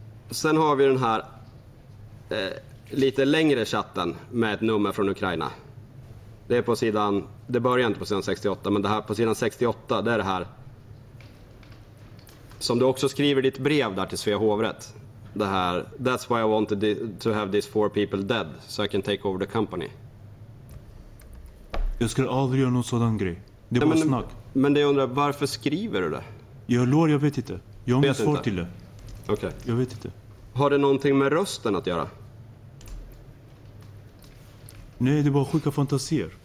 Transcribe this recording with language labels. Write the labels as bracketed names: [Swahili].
[Swedish] Sen har vi den här lite längre chatten med ett nummer från Ukraina. Det är på sidan, det börjar inte på sidan 68, men det här på sidan 68, det är det här som du också skriver ditt brev där till Svea hovrätt. Det här, [English] that's why I wanted to have these four people dead so I can take over the company. [Swedish] Jag skulle aldrig göra någon sådan grej. Det är bara snack. Men det jag undrar, varför skriver du det? Jag vet inte. Jag har svårt till det. Okay. Jag vet inte. Har det någonting med rösten att göra? Nej, det är bara sjuka fantasier.